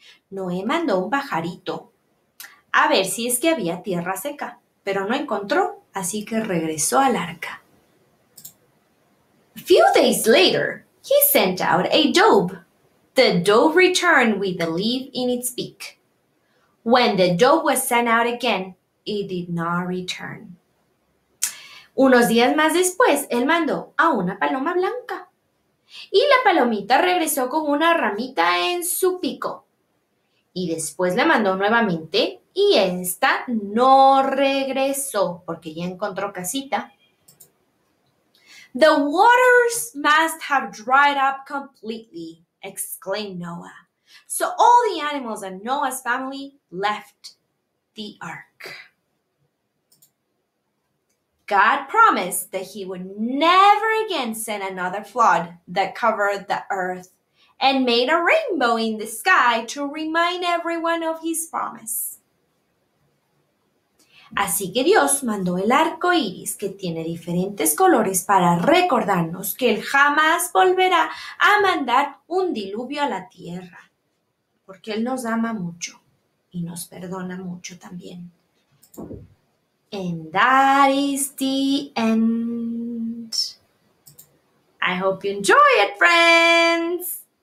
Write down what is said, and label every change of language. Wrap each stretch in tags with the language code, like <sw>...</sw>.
<es>Noé mandó un pajarito a ver si es que había tierra seca, pero no encontró, así que regresó al arca.</es> <en>A few days later, he sent out a dove. The dove returned with a leaf in its beak. When the dove was sent out again, it did not return.</en> <es>Unos días más después, él mandó a una paloma blanca. Y la palomita regresó con una ramita en su pico. Y después la mandó nuevamente y esta no regresó porque ya encontró casita.</es> <en>The waters must have dried up completely, exclaimed Noah. So all the animals and Noah's family left the ark. God promised that he would never again send another flood that covered the earth and made a rainbow in the sky to remind everyone of his promise.</en> <es>Así que Dios mandó el arco iris que tiene diferentes colores para recordarnos que él jamás volverá a mandar un diluvio a la tierra porque él nos ama mucho y nos perdona mucho también.</es> <en>And that is the end. I hope you enjoy it, friends.</en>